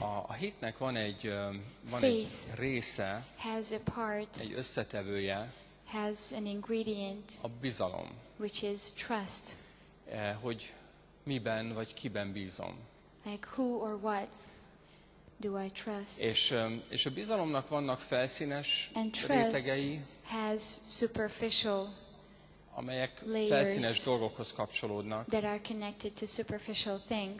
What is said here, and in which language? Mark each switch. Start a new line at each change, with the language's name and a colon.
Hungarian: A hitnek van egy van egy része,
English: has a part,
Hungarian: egy összetevője,
English: has an ingredient,
Hungarian: a bizalom,
English: which is trust.
Hungarian: Hogy miben vagy kiben bízom.
English: Like who or what do I trust?
Hungarian: És a bizalomnak vannak felszínes rétegei,
English: has superficial,
Hungarian: amelyek felszínes dolgokhoz kapcsolódnak.
English: That are connected to superficial things.